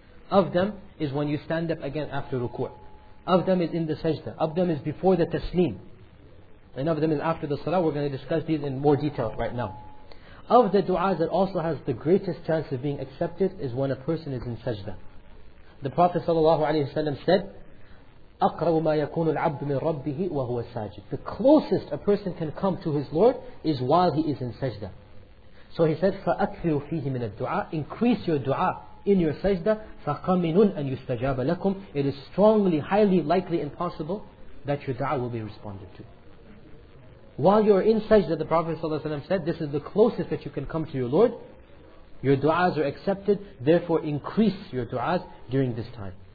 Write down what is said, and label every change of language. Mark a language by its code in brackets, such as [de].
[en] Of them is when you stand up again after ruku'. Of them is in the sajda. Of them is before the taslim. And of them is after the salah. We're going to discuss these in more detail right now. Of the du'as that also has the greatest chance of being accepted is when a person is in sajda. The Prophet ﷺ said, [ar] أَقْرَبُ مَا يَكُونُ الْعَبْدُ مِنْ رَبِّهِ وَهُوَ السَّاجِدُ. [en] The closest a person can come to his Lord is while he is in sajda. So he said, [ar] فَأَكْثِرُ فِيهِ مِنَ الدُّعَى. [en] Increase your du'a in your sajda, [ar] فَقَمِنٌ أَنْ يُسْتَجَابَ لَكُمْ. [en] It is strongly, highly, likely and possible that your du'a will be responded to. While you are in sajda, the Prophet ﷺ said, this is the closest that you can come to your Lord. Your du'as are accepted, therefore increase your du'as during this time.